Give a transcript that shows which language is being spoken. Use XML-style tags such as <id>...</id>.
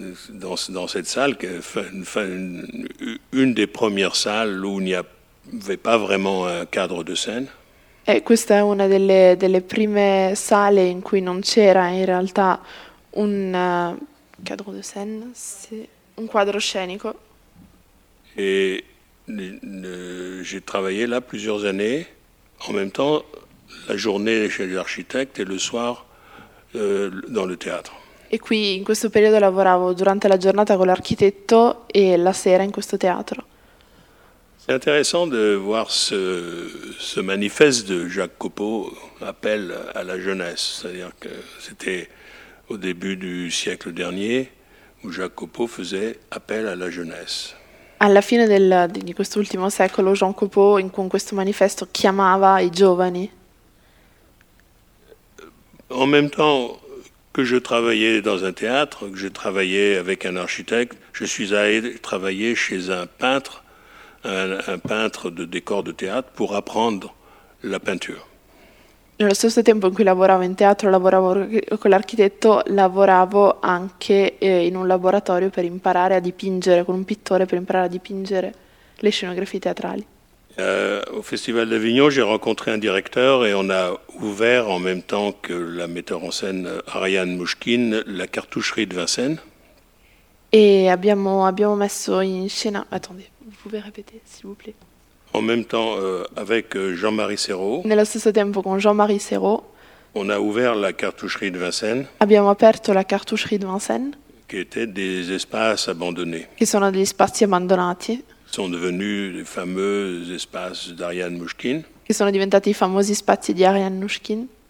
<fr>dans cette salle, qui est une des premières salles où il n'y avait pas vraiment un cadre de scène.</fr> <it>E questa è una delle prime sale in cui non c'era in realtà un cadre de scène, un quadro scenico.</it> <fr>Et j'ai travaillé là plusieurs années, en même temps la journée chez l'architecte et le soir dans le théâtre.</fr> <it>E qui in questo periodo lavoravo durante la giornata con l'architetto e la sera in questo teatro.</it> <fr>C'est intéressant de voir ce manifeste de Jacques Copeau, appel à la jeunesse. C'est-à-dire que c'était au début du siècle dernier où Jacques Copeau faisait appel à la jeunesse.</fr> <it>Alla fine di quest'ultimo secolo, Jean Copeau, con questo manifesto, chiamava i giovani.</it> <fr>En même temps que je travaillais dans un théâtre, que je travaillais avec un architecte, je suis allé travailler chez un peintre, un peintre de décors de théâtre, pour apprendre la peinture.</fr> <it>Nello stesso tempo in cui lavoravo in teatro, lavoravo con l'architetto, lavoravo anche in un laboratorio per imparare a dipingere, con un pittore per imparare a dipingere le scenografie teatrali.</it> <fr>Au Festival d'Avignon, j'ai rencontré un directeur et on a ouvert en même temps que la metteur en scène Ariane Mouchkin la cartoucherie de Vincennes.</fr> <it>Et abbiamo messo in scena.</it> <fr>Attendez, vous pouvez répéter, s'il vous plaît. En même temps, avec Jean-Marie Serrault.</fr> <it>Nello stesso tempo con Jean-Marie Serrault.</it> <fr>On a ouvert la cartoucherie de Vincennes.</fr> <it>Abbiamo aperto la cartoucherie de Vincennes.</it> <fr>Qui étaient des espaces abandonnés.</fr> <it>Che sono degli spazi abbandonati.</it> <fr>Sont devenus les fameux espaces d'Ariane Mouchkine.</fr> <it>Che sono diventati i famosi spazi di Ariane Mouchkine.</it>